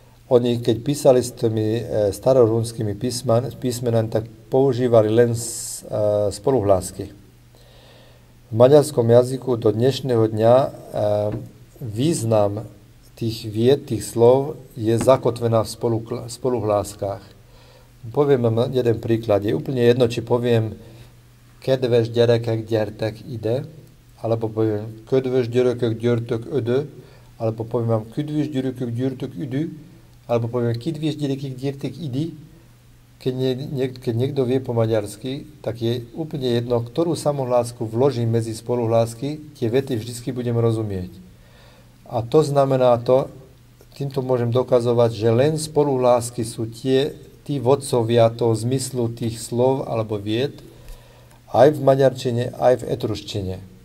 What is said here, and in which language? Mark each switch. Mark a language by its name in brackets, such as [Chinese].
[Slovak] Oni, keď písali s tými starorúnskymi písmenami, tak používali len spoluhlásky. V maďarskom jazyku do dnešného dňa význam tých viet, tých slov je zakotvená v spoluhláskách. Poviem vám jeden príklad. Je úplne jedno, či poviem [Hungarian] kedves gyerekek, gyertek ide, [Slovak] alebo poviem kedves gyerekek, gyertek ide, alebo poviem vám kedves gyerekek, gyertek ide, alebo poviem kedves gyerekek, gyertek ide. Keď niekto vie po maďarsky, tak je úplne jedno, ktorú samohlásku vložím medzi spoluhlásky, tie vety vždy budem rozumieť. A to znamená to, týmto môžem dokazovať, že len spoluhlásky sú tí vodcovia toho zmyslu tých slov alebo viet aj v maďarčine, aj v etruštine.